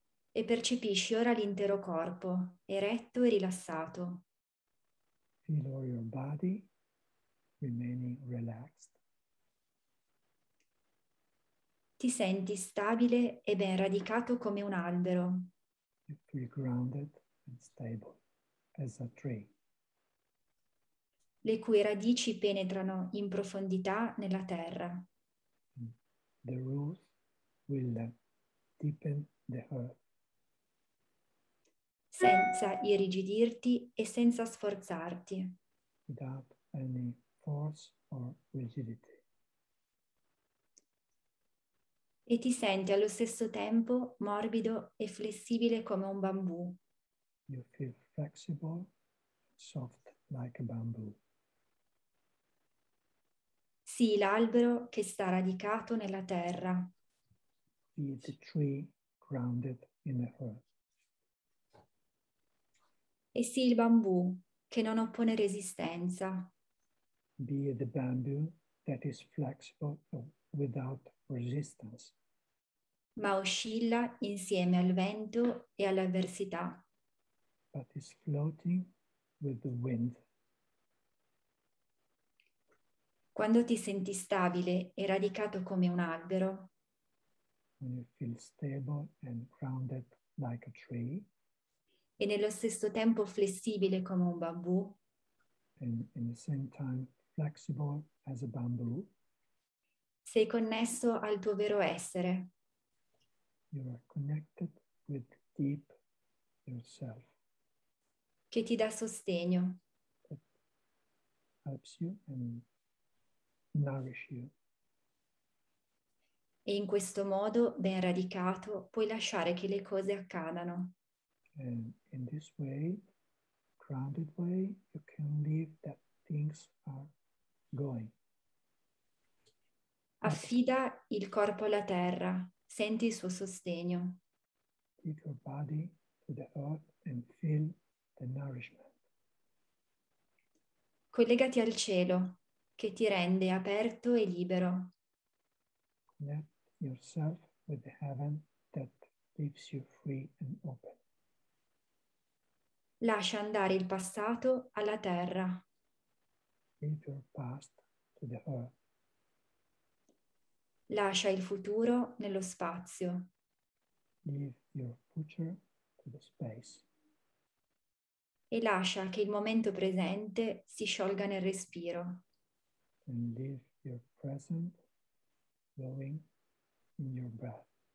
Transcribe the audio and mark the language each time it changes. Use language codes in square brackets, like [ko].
[it] E percepisci ora l'intero corpo, eretto e rilassato. [en] Feel all your body remaining relaxed. [it] Ti senti stabile e ben radicato come un albero. [en] You feel grounded and stable as a tree. [it] Le cui radici penetrano in profondità nella terra. [en] The roots will deepen the earth. [it] Senza irrigidirti e senza sforzarti. [en] Without any force or rigidity. [it] E ti senti allo stesso tempo morbido e flessibile come un bambù. [en] You feel flexible, soft like a bamboo. [it] Sii l'albero che sta radicato nella terra. [en] Be the tree grounded in the earth. [it] E sii il bambù che non oppone resistenza. [en] Be the bamboo that is flexible without resistance. [it] Ma oscilla insieme al vento e all'avversità. [en] But is floating with the wind. [it] Quando ti senti stabile e radicato come un albero. [en] When you feel stable and grounded like a tree. [it] E nello stesso tempo flessibile come un bambù. [en] In the same time flexible as a bamboo. [it] Sei connesso al tuo vero essere. [en] You are connected with deep yourself. [it] Che ti dà sostegno. [en] That helps you and nourish you. [it] E in questo modo ben radicato puoi lasciare che le cose accadano. [en] And in this way, grounded way, you can leave that things are going. [it] Affida il corpo alla terra, senti il suo sostegno. [en] Give your body to the earth and feel the nourishment. [it] Collegati al cielo, che ti rende aperto e libero. [en] Connect yourself with the heaven that leaves you free and open. [it] Lascia andare il passato alla terra. [en] Leave your past to the earth. [it] Lascia il futuro nello spazio. [en] Leave your future to the space. [it] E lascia che il momento presente si sciolga nel respiro. [en] And leave your present flowing in your breath.